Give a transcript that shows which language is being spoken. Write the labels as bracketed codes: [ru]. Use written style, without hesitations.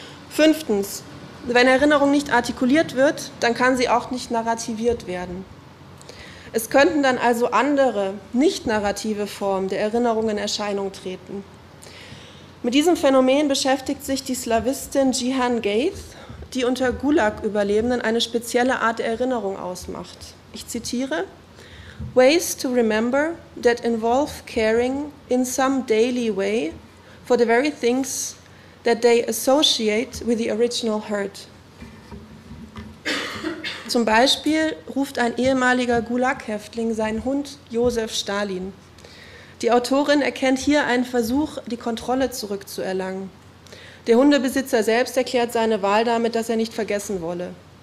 [de] Fünftens, wenn Erinnerung nicht artikuliert wird, dann kann sie auch nicht narrativiert werden. Es könnten dann also andere, nicht-narrative Formen der Erinnerung in Erscheinung treten. Mit diesem Phänomen beschäftigt sich die Slawistin Jihan Gaith, die unter Gulag-Überlebenden eine spezielle Art der Erinnerung ausmacht. [en] Ich zitiere: "Ways to remember that involve caring in some daily way for the very things that they associate with the original hurt." [de] Zum Beispiel ruft ein ehemaliger Gulag-Häftling seinen Hund Josef Stalin. Die Autorin erkennt hier einen Versuch, die Kontrolle zurückzuerlangen. Der Hundebesitzer selbst erklärt seine Wahl damit, dass er nicht vergessen wolle.